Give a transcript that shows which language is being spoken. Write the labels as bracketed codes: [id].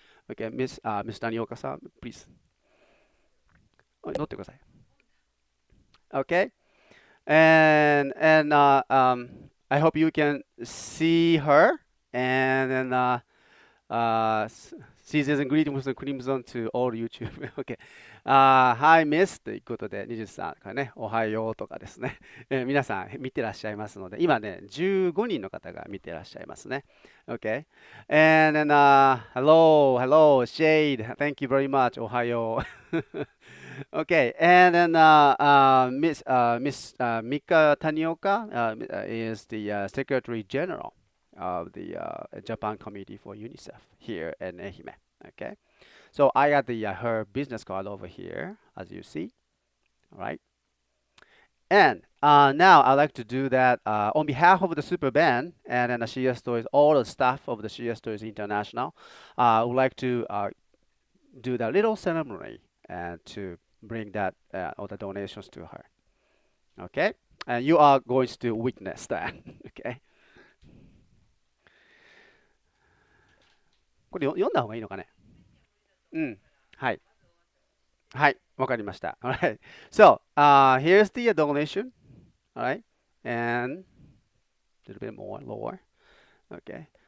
[en] Okay, Miss Tanioka-san, please. Oh, note kudasai. Okay. And I hope you can see her, and then season's greetings and crimson to all YouTube. Okay. Hi, Miss. [ja] ということで、ニジスさんからね、おはようとかですね。皆さん見てらっしゃいますので、今ね、15人の方が見てらっしゃいますね。 [en] Okay. And then, hello, Shade. Thank you very much. [ja] おはよう。 [en] Okay. And then, Miss Mika Tanioka is the Secretary General of the Japan Committee for UNICEF here in Ehime. Okay. So I got her business card over here, as you see, right? And now I'd like to do that on behalf of the Super Band and then the CSTOYS, all the staff of the CSTOYS International, would like to do that little ceremony and to bring that all the donations to her. Okay? And you are going to witness that, okay? [ja] これ読んだ方がいいのかね? うん、はい。はい、わかりました。 [en] All right. So, here's the donation. All right. And a little bit more lower. Okay.